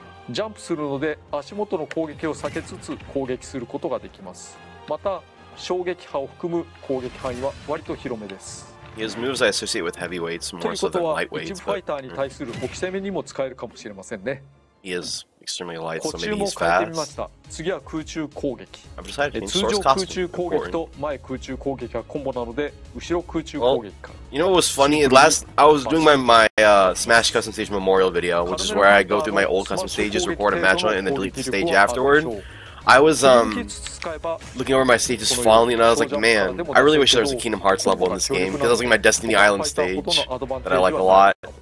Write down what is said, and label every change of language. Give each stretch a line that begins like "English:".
Japanese: Jump するので足元の攻撃を避けつつ攻撃することができます。また、衝撃波を含む攻撃範囲は割と広めです。
English: He has moves I associate with heavyweights more so than lightweights.
Japanese: ということは、一部ファイターに対する補給攻めにも使えるかもしれませんね。
English: He is extremely light, so maybe he's fast.
Japanese: 次は空中攻撃。
English: I've decided to use Source Costume.
Japanese: 通常空中攻撃と前空中攻撃はコンボなので、後ろ空中攻撃か。
English: You know what was funny? I was doing my Smash Custom Stage Memorial video, which is where I go through my old custom stages, record a match on it, and then delete the stage afterward. I was looking over my stages fondly, and I was like, man, I really wish there was a Kingdom Hearts level in this game, because that was like my Destiny Island stage that I like a lot.